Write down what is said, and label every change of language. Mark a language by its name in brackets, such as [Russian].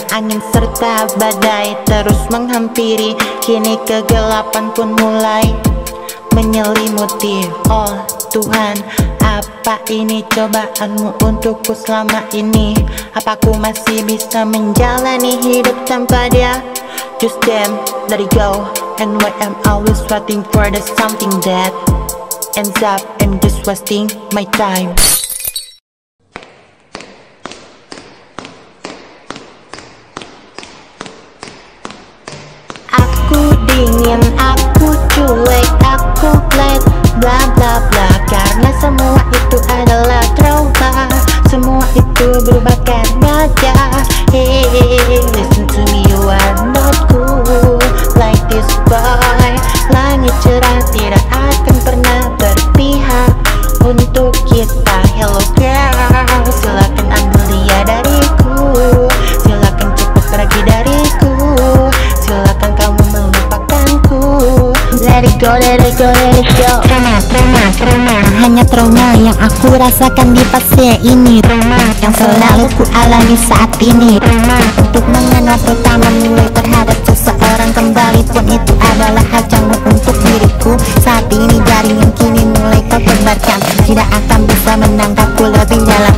[Indonesian] Angin serta badai terus menghampiri, kini kegelapan pun mulai menyelimuti. Oh Tuhan, apa ini cobaanmu untukku selama ini? Apa ku masih bisa menjalani hidup tanpa dia? [English] Just damn, let it go. And why I'm always waiting for the something that ends up and just wasting my time. [Indonesian] Aku dingin, aku cuek, aku flat, bla bla bla. Karena semua itu adalah trauma, semua itu berubah karena dia. [English] Hey, listen to me, you are not cool like this boy. [Indonesian] Langit cerah tidak akan pernah berpihak untuk kita. [English] Hello girl, [Indonesian] silakan ambil dia dariku, silakan cepat pergi dariku, silakan kamu melupakanku. [English] Let it go, let it go, let it go. [Indonesian] Trauma, trauma, trauma. Hanya trauma yang aku rasakan di fase ini. Trauma yang selalu ku alami saat ini. Trauma untuk mengenal pertama mulai terhadap seseorang kembali pun itu adalah ajang untuk diriku. Saat ini dari yang kini mulai kau tebarkan, tidak akan bisa menangkapku lebih dalam.